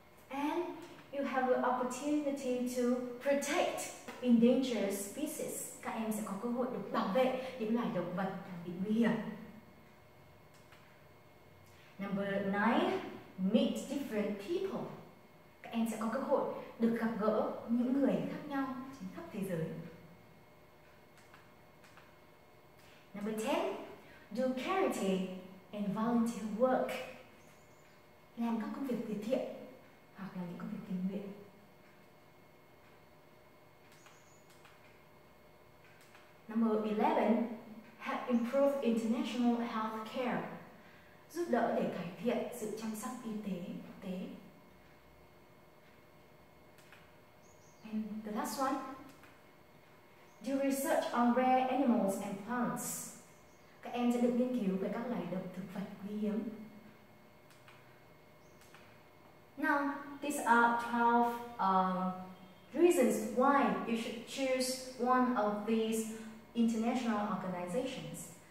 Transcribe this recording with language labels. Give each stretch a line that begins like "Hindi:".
English: And you have an opportunity to protect endangered species.
Vietnamese: Các em sẽ có cơ hội được bảo vệ những loài động vật đang bị nguy hiểm.
English: Number nine, meet different people.
Vietnamese: Các em sẽ có cơ hội được gặp gỡ những người khác nhau trên khắp thế giới.
English: Number 10, do charity and volunteer work.
Vietnamese: Làm các công việc từ thiện hoặc là những công việc tình nguyện.
English: Number 11, help improve international health care.
Vietnamese: Giúp đỡ để cải thiện sự chăm sóc y tế quốc tế.
English: And the last one, do research on rare animals and plants.
Vietnamese: Các em sẽ được nghiên cứu về các loài động thực vật quý hiếm.
English: Now, these are 12 reasons why you should choose one of these international organizations.